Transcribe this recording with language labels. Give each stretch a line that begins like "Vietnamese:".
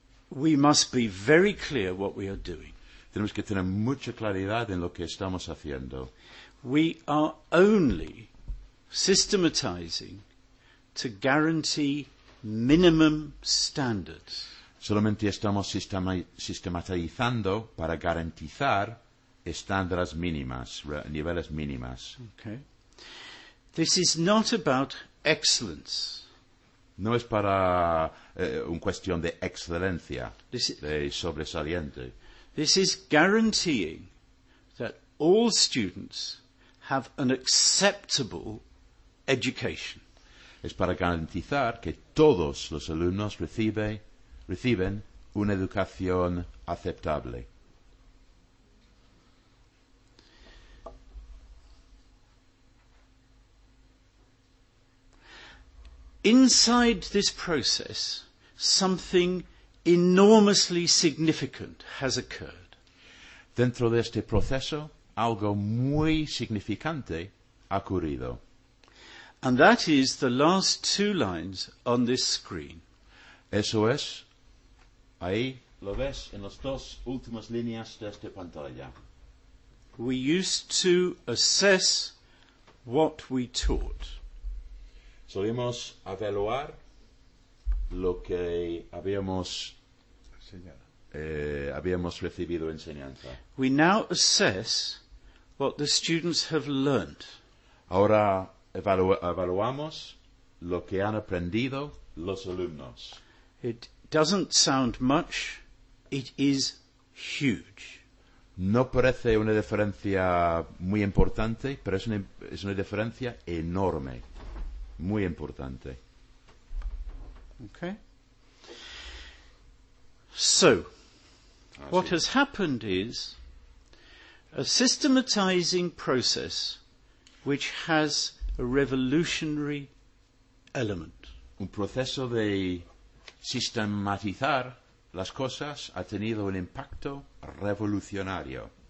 English: We must be very clear what we are doing.
Spanish: Tenemos que tener mucha claridad en lo que estamos haciendo.
English: We are only systematizing to guarantee minimum standards.
Spanish: Solamente estamos sistematizando para garantizar estándares mínimas, niveles mínimas.
English: Okay. This is not about excellence.
Spanish: No es para una cuestión de excelencia, de sobresaliente.
English: This is guaranteeing that all students have an acceptable education.
Spanish: Es para garantizar que todos los alumnos reciben una educación aceptable.
English: Inside this process, something enormously significant has occurred.
Spanish: Dentro de este proceso, algo muy significante ha ocurrido.
English: And that is the last two lines on this screen.
Spanish: Eso es. Ahí lo ves en las dos últimas líneas de esta pantalla.
English: We used to assess what we taught.
Spanish: Solíamos evaluar lo que habíamos recibido enseñanza.
English: We now assess what the students have learned.
Spanish: Ahora evaluamos lo que han aprendido los alumnos.
English: It doesn't sound much, It is huge.
Spanish: No parece una diferencia muy importante, pero es una diferencia enorme, muy importante.
English: Okay. So, what has happened is a systematizing process which has a revolutionary element.
Spanish: Un proceso de sistematizar las cosas ha tenido un impacto revolucionario.